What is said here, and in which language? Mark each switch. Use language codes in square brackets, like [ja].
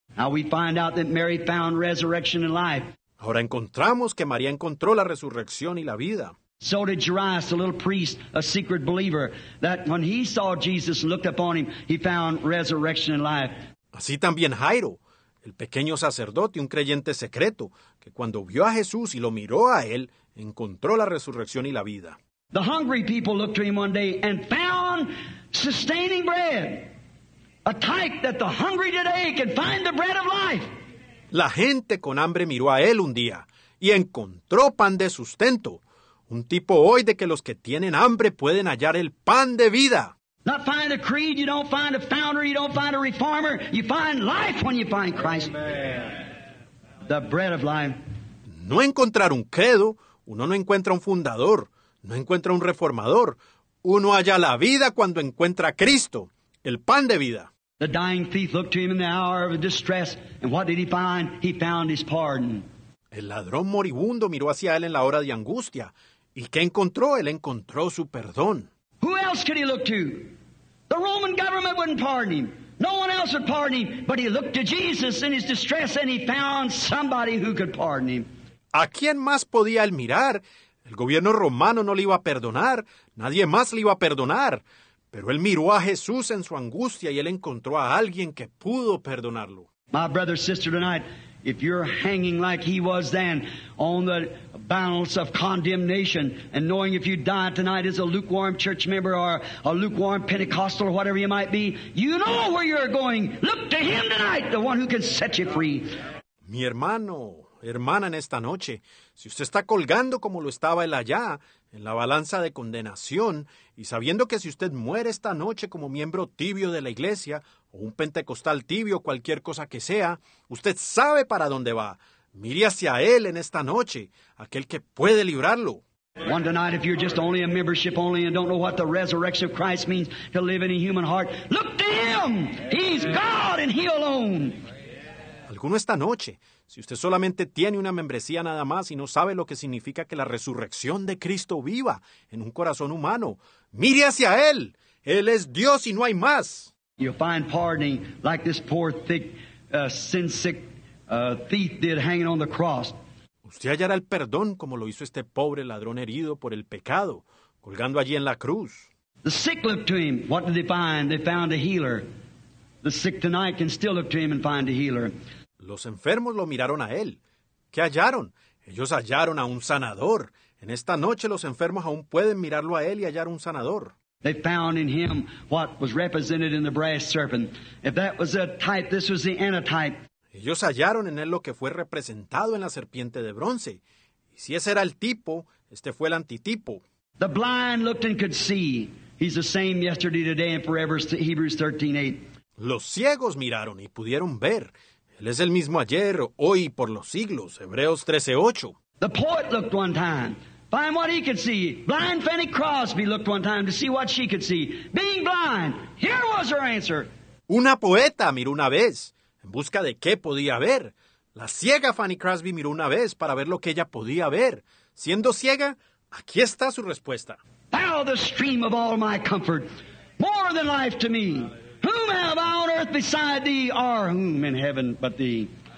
[en] Now we find out that Mary found resurrection and life. [es] Ahora encontramos que María encontró la resurrección y la vida. [en] So did Jairus, a little priest, a secret believer, that when he saw Jesus and looked upon him, he found resurrection and life. [es] Así también Jairo, el pequeño sacerdote, un creyente secreto, que cuando vio a Jesús y lo miró a él, encontró la resurrección y la vida. [en] The hungry people looked to him one day and found sustaining bread, a type that the hungry today can find the bread of life. [es] La gente con hambre miró a él un día y encontró pan de sustento. Un tipo hoy de que los que tienen hambre pueden hallar el pan de vida. [en] Not find a creed, you don't find a founder, you don't find a reformer. You find life when you find Christ. Amen. The bread of life. [es] No encontrar un credo, uno no encuentra un fundador, no encuentra un reformador. Uno halla la vida cuando encuentra a Cristo, el pan de vida. [en] The dying thief looked to him in the hour of distress, and what did he find? He found his pardon. [es] El ladrón moribundo miró hacia él en la hora de angustia. ¿Y qué encontró? Él encontró su perdón. [en] Who else could he look to? The Roman government wouldn't pardon him. No one else would pardon him. But he looked to Jesus in his distress and he found somebody who could pardon him. [es] ¿A quién más podía él mirar? El gobierno romano no le iba a perdonar. Nadie más le iba a perdonar. Pero él miró a Jesús en su angustia y él encontró a alguien que pudo perdonarlo. [en] My brother, sister, tonight, if you're hanging like he was then on the balance of condemnation and knowing if you die tonight as a lukewarm church member or a lukewarm Pentecostal or whatever you might be, you know where you're going. Look to him tonight, the one who can set you free. [es] Mi hermano, hermana, en esta noche, si usted está colgando como lo estaba él allá en la balanza de condenación y sabiendo que si usted muere esta noche como miembro tibio de la iglesia o un pentecostal tibio, cualquier cosa que sea, usted sabe para dónde va. Mire hacia él en esta noche, aquel que puede librarlo. [en] One tonight, if you're just only a membership only and don't know what the resurrection of Christ means to live in a human heart, look to him. He's God and he alone. [es] Alguno esta noche, si usted solamente tiene una membresía nada más y no sabe lo que significa que la resurrección de Cristo viva en un corazón humano, mire hacia él. Él es Dios y no hay más. [en] You'll find pardoning like this poor, thick, sin-sick thief did hanging on the cross. [es] Usted hallará el perdón como lo hizo este pobre ladrón herido por el pecado, colgando allí en la cruz. [en] The sick looked to him. What did they find? They found a healer. The sick tonight can still look to him and find a healer. [es] Los enfermos lo miraron a él. ¿Qué hallaron? Ellos hallaron a un sanador. En esta noche los enfermos aún pueden mirarlo a él y hallar un sanador. [en] They found in him what was represented in the brass serpent. If that was a type, this was the antitype. [es] Ellos hallaron en él lo que fue representado en la serpiente de bronce. Y si ese era el tipo, este fue el antitipo. [en] The blind looked and could see. He's the same yesterday, today, and forever. Hebrews 13:8. [es] Los ciegos miraron y pudieron ver. Él es el mismo ayer, hoy y por los siglos. Hebreos 13:8. [en] The poet looked one time. Find what he could see. Blind Fanny Crosby looked one time to see what she could see. Being blind, here was her answer. [es] Una poeta miró una vez en busca de qué podía ver. La ciega Fanny Crosby miró una vez para ver lo que ella podía ver. Siendo ciega, aquí está su respuesta. [en] Thou the stream of all my comfort, more than life to me. Whom have I on earth beside thee, or whom in heaven but thee?